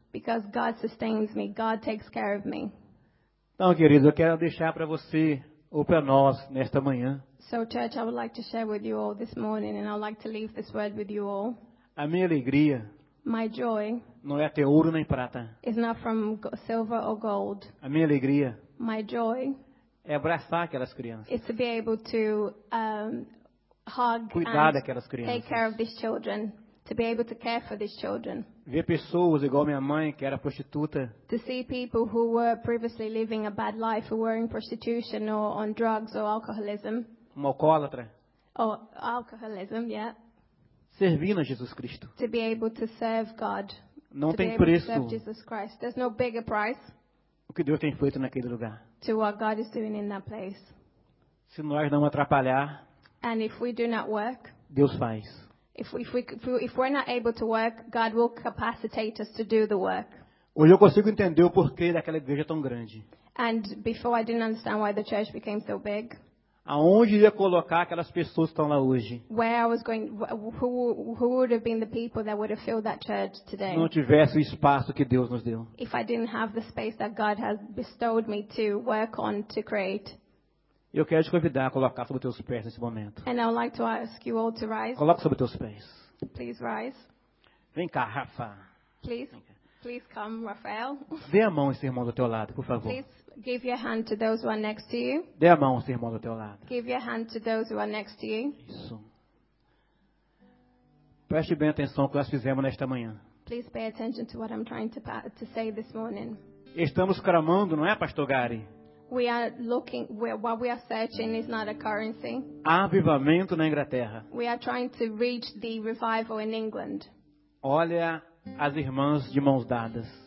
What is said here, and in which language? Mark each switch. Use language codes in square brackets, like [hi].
[en] Because God sustains me, God takes care of me. [pt] Então, queridos, eu quero deixar para você ou para nós nesta manhã. [en] So, church, I would like to share with you all this morning, and I would like to leave this word with you all. [pt] A minha alegria. [en] My joy. [pt] Não é ter ouro nem prata. [en] Is not from silver or gold. [pt] A minha alegria. [en] My joy. [pt] É abraçar aquelas crianças. [en] Is to be able to hug. [pt] Cuidar daquelas crianças. [en] Take care of these children. To be able to care for these children. [pt] Ver pessoas igual minha mãe que era prostituta. [en] To see people who were previously living a bad life, who were in prostitution or on drugs or alcoholism. [pt] Uma alcoólatra. [en] Or alcoholism, yeah. [pt] Servindo a Jesus Cristo. [en] To be able to serve God. [pt] Não [en] to [pt] tem [en] be [pt] preço. [en] Able to serve Jesus Christ. There's no bigger price. [pt] O que Deus tem feito naquele lugar. [en] To what God is doing in that place. [pt] Se nós não atrapalhar. [en] And if we do not work. [pt] Deus faz. [en] If we're not able to work, God will capacitate us to do the work. [pt] Hoje eu consigo entender o porquê daquela igreja tão grande. [en] And before I didn't understand why the church became so big. [pt] Aonde ia colocar aquelas pessoas que estão lá hoje? [en] Where I was going, who would have been the people that would have filled that church today? [pt] Se não tivesse o espaço que Deus nos deu. [en] If I didn't have the space that God has bestowed me to work on to create. [pt] Eu quero te convidar a colocar sobre teus pés nesse momento. [en] And I would like to ask you all to rise. [pt] Coloque sobre teus pés. [en] Please rise. [pt] Vem cá, Rafa. [en] Please come, Rafael. [pt] Dê a mão a esse irmão do teu lado, por favor. [en] Please. Give your hand to those who are next to you. [pt] Dê a mão, irmão, do teu lado. [en] Give your hand to those who are next to you. [pt] Isso. Preste bem atenção ao que nós fizemos nesta manhã. [en] Please pay attention to what I'm trying to say this morning. [pt] Estamos clamando, não é, Pastor Gary? [en] We are looking. What we are searching is not a currency. [pt] Avivamento na Inglaterra. [en] We are trying to reach the revival in England. [pt] Olha as irmãs de mãos dadas.